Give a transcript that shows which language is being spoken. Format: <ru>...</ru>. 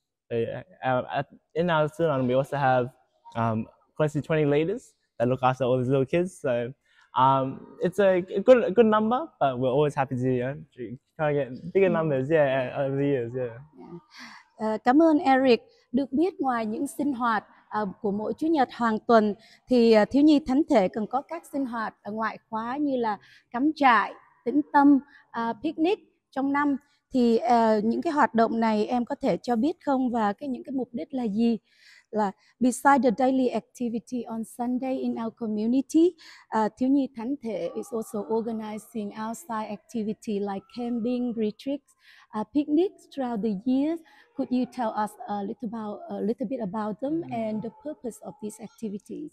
<en>So, in our sermon, we also have close to 20 leaders that look after all these little kids. So it's a good number, but we're always happy to, you know, try to get bigger numbers, yeah, over the years, yeah.</en> <vi>Cảm ơn Eric. Được biết ngoài những sinh hoạt của mỗi Chủ nhật hàng tuần, thì thiếu nhi thánh thể còn có các sinh hoạt ngoại khóa như là cắm trại, tĩnh tâm, picnic trong năm. Thì những cái hoạt động này em có thể cho biết không, và cái những cái mục đích là gì?</vi> <en>Là beside the daily activity on Sunday in our community, thiếu nhi thánh thể is also organizing outside activity like camping, retreats, picnics throughout the year. Could you tell us a little bit about them and the purpose of these activities?</en>